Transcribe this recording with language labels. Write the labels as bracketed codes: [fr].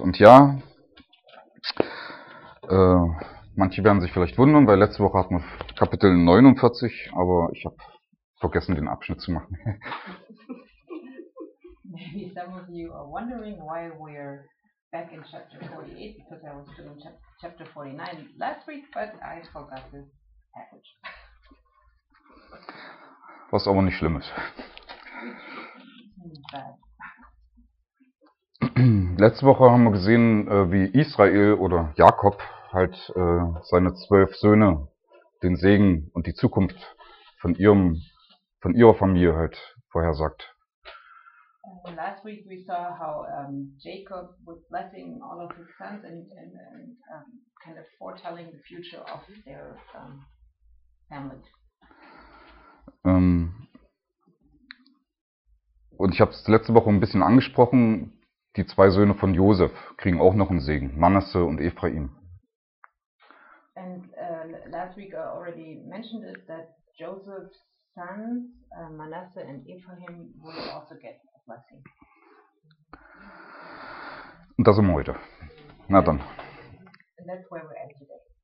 [de] Und ja, manche werden sich vielleicht wundern, weil letzte Woche hatten wir Kapitel 49, aber ich habe vergessen, den Abschnitt zu machen. [en] Maybe some of you are wondering why we're back in chapter 48, because I was still in chapter 49 last week, but I forgot this passage. [de] Was aber nicht schlimm ist. Letzte Woche haben wir gesehen, wie Israel oder Jakob halt seine 12 Söhne den Segen und die Zukunft von ihrem, von ihrer Familie halt vorhersagt. [en] Last week we saw how Jacob was blessing all of his sons and kind of foretelling the future of their family. [de] Und ich habe es letzte Woche ein bisschen angesprochen, die zwei Söhne von Josef kriegen auch noch einen Segen, Manasse und Ephraim. [en] And last week I already mentioned it, that Joseph's sons, Manasse and Ephraim, will also get a blessing. [de] Und das sind wir heute. Na dann. [en] And that's where we're at today.